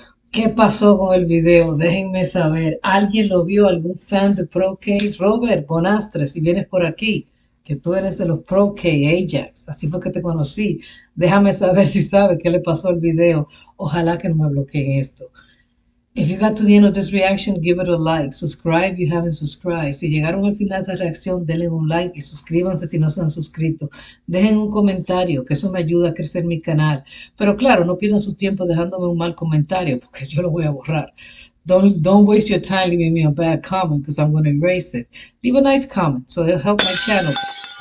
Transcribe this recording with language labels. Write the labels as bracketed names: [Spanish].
[Spanish] ¿Qué pasó con el video? Déjenme saber. ¿Alguien lo vio? ¿Algún fan de ProK? Robert Bonastre, si vienes por aquí, que tú eres de los ProK Ajax, así fue que te conocí. Déjame saber si sabes qué le pasó al video. Ojalá que no me bloqueen esto. [English] If you got to the end of this reaction, give it a like. Subscribe if you haven't subscribed. [Spanish] Si llegaron al final de la reacción, denle un like y suscríbanse si no se han suscrito. Dejen un comentario, que eso me ayuda a crecer mi canal. Pero claro, no pierdan su tiempo dejándome un mal comentario, porque yo lo voy a borrar. [English] Don't waste your time leaving me a bad comment, because I'm going to erase it. Leave a nice comment, so it'll help my channel.